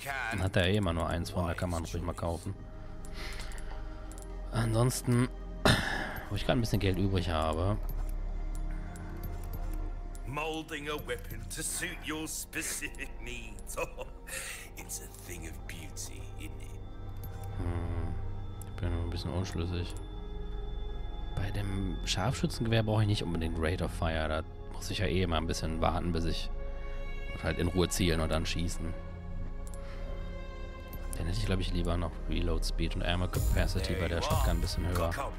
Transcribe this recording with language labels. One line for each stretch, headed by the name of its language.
German: Dann hat er ja immer nur eins von, da kann man ruhig mal kaufen. Ansonsten, wo ich gerade ein bisschen Geld übrig habe.
English: Molding a weapon to suit your specific needs. It's a thing of beauty, isn't it?
German: Ich bin ein bisschen unschlüssig. Bei dem Scharfschützengewehr brauche ich nicht unbedingt Rate of Fire. Da muss ich ja eh mal ein bisschen warten, bis ich halt in Ruhe zielen und dann schießen. Dann hätte ich, glaube ich, lieber noch Reload Speed und Ammo Capacity bei der Shotgun ein bisschen höher.